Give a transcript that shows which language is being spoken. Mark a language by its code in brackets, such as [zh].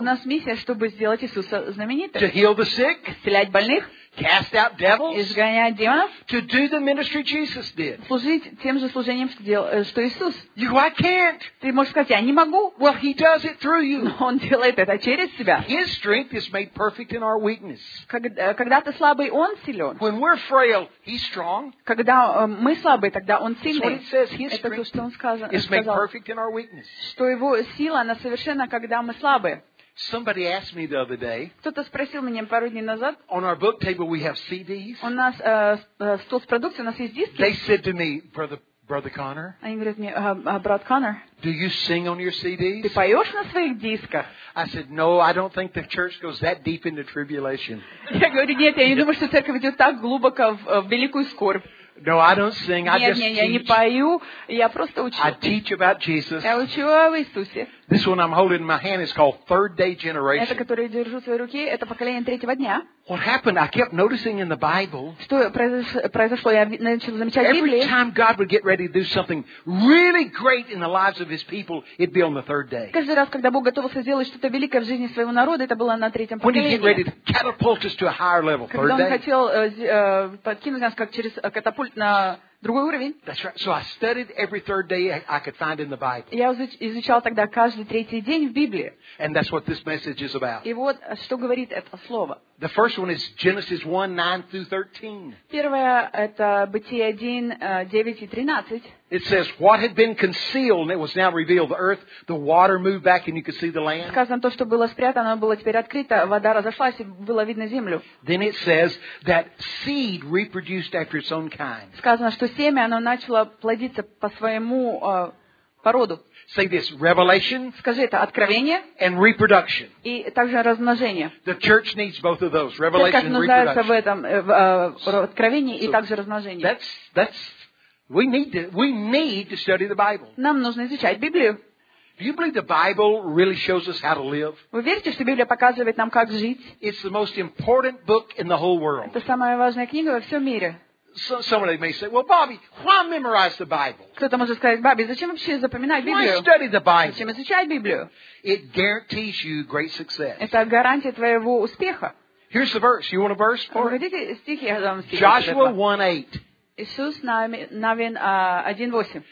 [ru] У нас миссия, чтобы сделать Иисуса знаменитым. [en] To heal the sick. [ru] Исцелять больных. [en] Cast out devils. [ru] Изгонять демонов. [en] To do the ministry Jesus did. [ru] Служить тем же служением, что Иисус. [en] You go, I can't. [ru] Ты можешь сказать, я не могу. [en] Well, He does it through you. [ru] Но Он делает это через тебя. [en] His strength is made perfect in our weakness. [ru] Когда ты слабый, Он силен. [en] When we're frail, He's strong. [ru] Когда мы слабые, тогда Он сильный. [en] That's what it says. His [ru] это то, что Он сказал. [en] Is made perfect in our weakness. [ru] Что Его сила, она совершенна, когда мы слабые. [en] Somebody asked me the other day. [ru] Кто-то спросил меня пару дней назад. [en] On our book table we have CDs. [ru] У нас стол с продукцией, у нас есть диски. [en] They said to me, brother Connor. [ru] Они говорят мне, брат Коннор. [en] Do you sing on your CDs? [ru] Ты поешь на своих дисках? [en] I said, no, I don't think the church goes that deep into tribulation. [ru] Я говорю, нет, я не думаю, что церковь идет так глубоко в великую скорбь. [en] No, I don't sing. I just teach. [ru] Не пою, я просто учу. [en] I teach about Jesus. [ru] Я учу об Иисусе. [en] This one I'm holding in my hand is called Third Day Generation. [ru] Это, которое я держу в своей руке, это поколение третьего дня. [en] What happened? I kept noticing in the Bible. [ru] Что произошло? Я начал замечать в Библии. [en] Every time God would get ready to do something really great in the lives of His people, it'd be on the third day. [ru] Каждый раз, когда Бог готовился сделать что-то великое в жизни своего народа, это было на третьем поколении. [en] When He get ready to catapult us to a higher level, third day. [ru] Когда Он хотел подкинуть нас как через катапульт на другой уровень. [en] That's right. So I studied every third day I could find in the Bible. [ru] Я изучал тогда каждый третий день в Библии. [en] And that's what this message is about. [ru] И вот что говорит это слово. [en] The first one is Genesis 1:9-13. [ru] Первое это Бытие 1:9-13. [en] It says what had been concealed and it was now revealed. The earth, the water moved back and you could see the land. [ru] Сказано то, что было спрятано, было теперь открыто. Вода разошлась и было видно землю. [en] Then it says that seed reproduced after its own kind. [ru] Сказано, что семя оно начало плодиться по своему породу. [en] Say this, revelation. [ru] Скажи это, откровение. [en] And reproduction. [ru] И также размножение. [en] The church needs both of those, revelation and reproduction. [ru] Церковь нуждается в этом, в откровении и также размножении. [en] We need to study the Bible. [ru] Нам нужно изучать Библию. [en] Do you believe the Bible really shows us how to live? [ru] Вы верите, что Библия показывает нам как жить? [en] It's the most important book in the whole world. [ru] Это самая важная книга во всем мире. [en] Somebody may say, "Well, Bobby, why memorize the Bible?" [ru] Кто-то может сказать, Бобби, зачем вообще запоминать Библию? [en] Why study the Bible? [ru] Зачем изучать Библию? [en] It guarantees you great success. [ru] Это гарантия твоего успеха. [en] Here's the verse. You want a verse for it? [ru] Хотите стих, я дам стих. [en] Joshua 1:8. [ru] Иисус Навин 1:8.